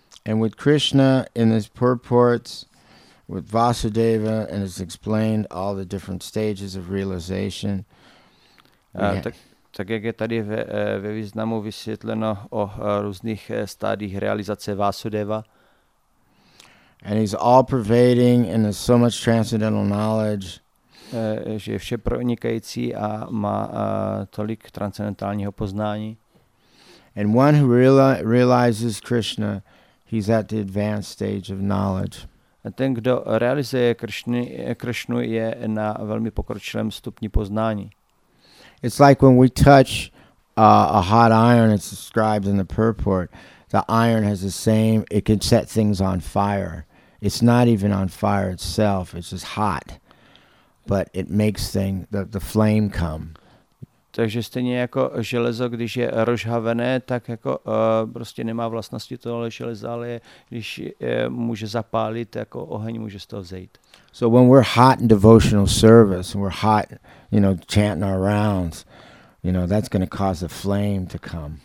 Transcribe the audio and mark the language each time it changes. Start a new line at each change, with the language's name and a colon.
English: And with Krishna in his purports, with Vasudeva, and it's explained all the different stages of realization.
Czech: Tak jak je tady ve významu vysvětleno o různých stádiích realizace Vasudeva.
English: And he's all pervading and has so much transcendental knowledge.
Czech: Že je vše pronikající a má tolik transcendentálního poznání.
English: And one who realizes Krishna, he's at the advanced stage of knowledge.
Czech: A ten, kdo realizuje Krishnu, je na velmi pokročilém stupni poznání.
English: It's like when we touch a hot iron, it's described in the purport. The iron has the same, it can set things on fire. It's not even on fire itself, it's just hot. But it makes things, the flame come.
Czech: Takže stejně jako železo, když je rozhavené, tak jako prostě nemá vlastnosti toho železa, ale když může zapálit, jako oheň může z toho vzejít.
English: So when we're hot in devotional service, we're hot, you know, chanting our rounds, you know, that's going to cause a flame to come.